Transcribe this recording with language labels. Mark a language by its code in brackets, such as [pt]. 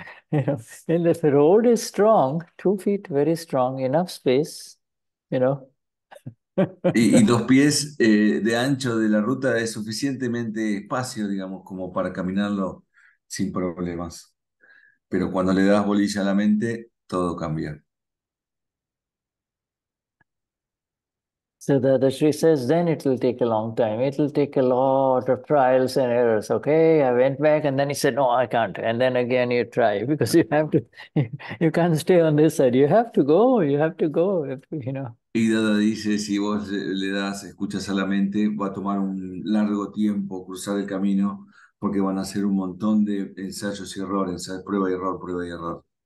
[en] You know, and if the road is strong, 2 feet very strong, enough space, you know. [es] Y dos pies de ancho de la ruta es suficientemente espacio, digamos, como para caminarlo sin problemas. Pero cuando le das bolilla a la mente, todo cambia. [en] So the Dadashri says, then it will take a long time. It will take a lot of trials and errors. Okay, I went back, and then he said, no, I can't. And then again, you try, because you have to, you can't stay on this side. You have to go, you know. [es] Y Dada dice, si vos le das, escuchas a la mente, va a tomar un largo tiempo cruzar el camino, porque van a hacer un montón de ensayos y errores, prueba y error, prueba y error.